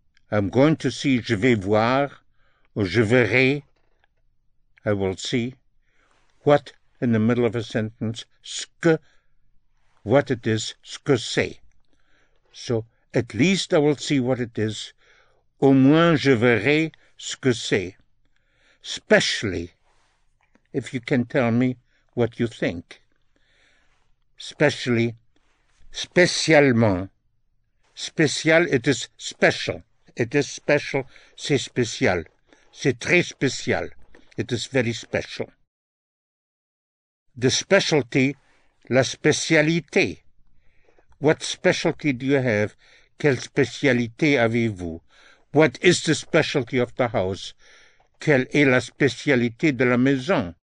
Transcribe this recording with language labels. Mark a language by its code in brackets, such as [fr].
[en] I'm going to see, [fr] je vais voir, [en] or [fr] je verrai. [en] I will see. What, in the middle of a sentence, ce que, what it is, [fr] ce que c'est. [en] So, at least I will see what it is. [fr] Au moins, je verrai ce que c'est. [en] Especially, if you can tell me what you think. Especially, spécialement. Spécial, it is special. It is special, [fr] c'est spécial. C'est très spécial. [en] It is very special. The specialty, [fr] la spécialité. [en] What specialty do you have? [fr] Quelle spécialité avez-vous? [en] What is the specialty of the house? [fr] Quelle est la spécialité de la maison?